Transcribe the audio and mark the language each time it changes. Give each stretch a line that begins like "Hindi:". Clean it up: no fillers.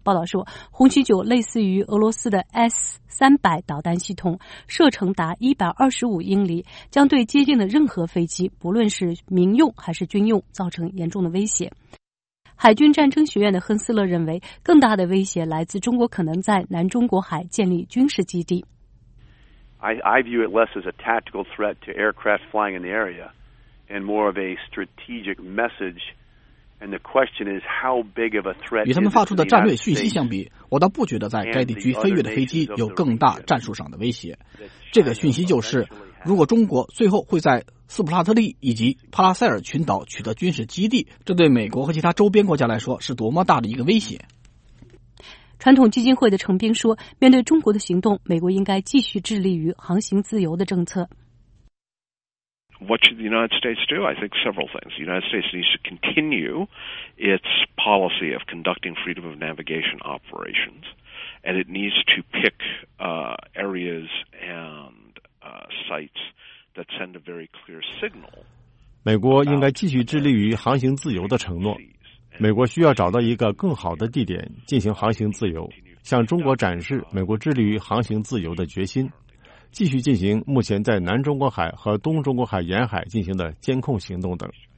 Chinese: 报道说，红旗九类似于俄罗斯的 S-300 导弹系统，射程达125英里，将对接近的任何飞机，不论是民用还是军用，造成严重的威胁。海军战争学院的亨斯勒认为，更大的威胁来自中国可能在南中国海建立军事基地。
English: I view it less as a tactical threat to aircraft flying in the area, and more of a strategic message. And the question is, how big of a threat?
Chinese: 与他们发出的战略讯息相比，我倒不觉得在该地区飞越的飞机有更大战术上的威胁。这个讯息就是，如果中国最后会在斯普拉特利以及帕拉塞尔群岛取得军事基地，这对美国和其他周边国家来说是多么大的一个威胁。传统基金会的程斌说，面对中国的行动，美国应该继续致力于航行自由的政策。
English: What should the United States do? I think several things. The United States needs to continue its policy of conducting freedom of navigation operations, and it needs to pick areas and sites that send a very clear signal.
Chinese: 美国应该继续致力于航行自由的承诺。美国需要找到一个更好的地点进行航行自由，向中国展示美国致力于航行自由的决心，继续进行目前在南中国海和东中国海沿海进行的监控行动等。